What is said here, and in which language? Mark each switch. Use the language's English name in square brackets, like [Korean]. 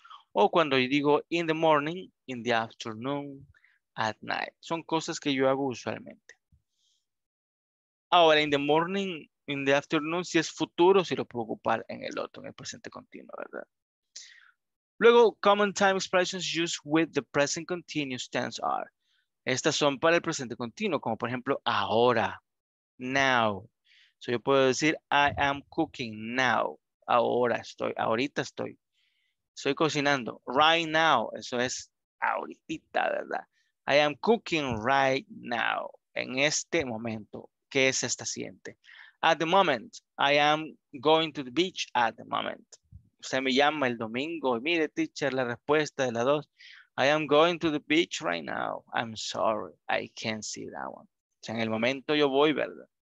[Spanish] O cuando yo digo [English] in the morning, in the afternoon, at night. [Spanish] Son cosas que yo hago usualmente. Ahora, in the morning, in the afternoon, si es futuro, si lo puedo ocupar en el otro, en el presente continuo, ¿verdad? [English] Luego, common time expressions used with the present continuous tense are. [Spanish] Estas son para el presente continuo, como por ejemplo, ahora, now. So yo puedo decir, [English] I am cooking now. [Spanish] Ahora estoy, ahorita estoy. Estoy cocinando. [English] Right now. [Spanish] Eso es ahorita, ¿verdad? [English] I am cooking right now. [Spanish] En este momento. ¿Qué es esta siguiente? [English] At the moment. I am going to the beach at the moment. [Spanish] Usted me llama el domingo. Y mire, teacher, la respuesta de la dos. [English] I am going to the beach right now. I'm sorry. I can't see that one. [Spanish] O sea, en el momento yo voy, ¿verdad?